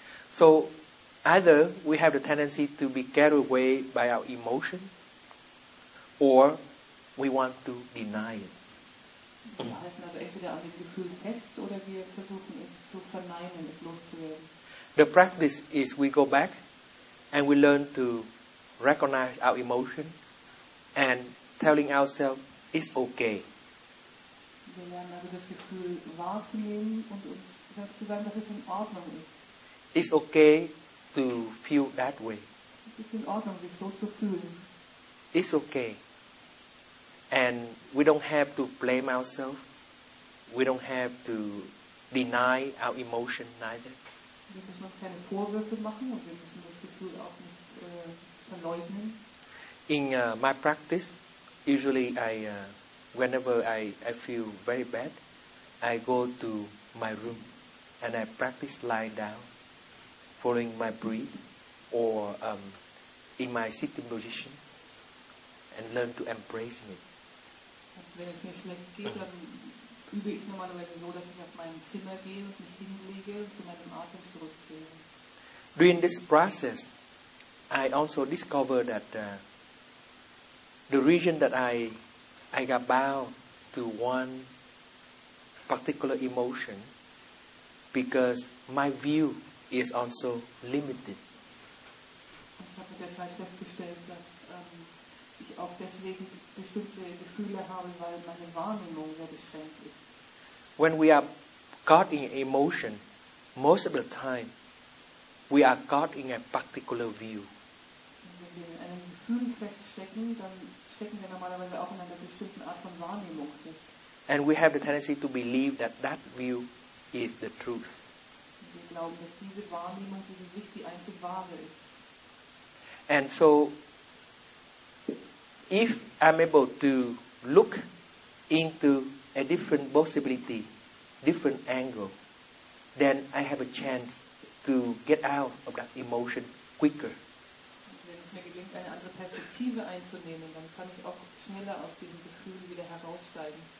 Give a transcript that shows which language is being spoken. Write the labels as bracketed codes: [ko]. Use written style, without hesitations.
[en] So, either we have the tendency to be carried away by our emotion, or we want to deny it. [de] treffen, also entweder an dem Gefühl fest oder wir versuchen es zu verneinen, es loszuwerden. [en] The practice is we go back and we learn to recognize our emotion and telling ourselves it's okay. [de] Wir lernen also das Gefühl wahrzunehmen und uns selbst zu sagen, dass es in Ordnung ist. [en] It's okay to feel that way. [de] Es ist in Ordnung, sich so zu fühlen. [en] It's okay. And we don't have to blame ourselves. We don't have to deny our emotion neither. [de] Wir müssen uns keine Vorwürfe machen und wir müssen das Gefühl auch nicht verleugnen. [en] In my practice, usually whenever I feel very bad, I go to my room and I practice lying down, following my breath, or in my sitting position, and learn to embrace it. [de] Wenn es mir schlecht geht, dann übe ich normalerweise so, dass ich auf mein Zimmer gehe und mich hinlege und zu meinem Atem zurückgehe. [en] During this process, I also discovered that the reason that I got bound to one particular emotion because my view is also limited. [de] Ich habe mit der Zeit festgestellt, dass ich auch deswegen bestimmte Gefühle habe, weil meine Wahrnehmung sehr beschränkt ist. [en] When we are caught in emotion, most of the time, we are caught in a particular view. [de] Wenn wir in einem Gefühl feststecken, dann stecken wir normalerweise auch in einer bestimmten Art von Wahrnehmung fest. [en] And we have the tendency to believe that that view is the truth. [de] Wir glauben, dass diese Wahrnehmung, diese Sicht die einzig wahre ist. [en] And so, if I'm able to look into a different possibility, different angle, then I have a chance to get out of that emotion quicker. [de] Mir gelingt, eine andere Perspektive einzunehmen, dann kann ich auch schneller aus diesem Gefühl wieder heraussteigen.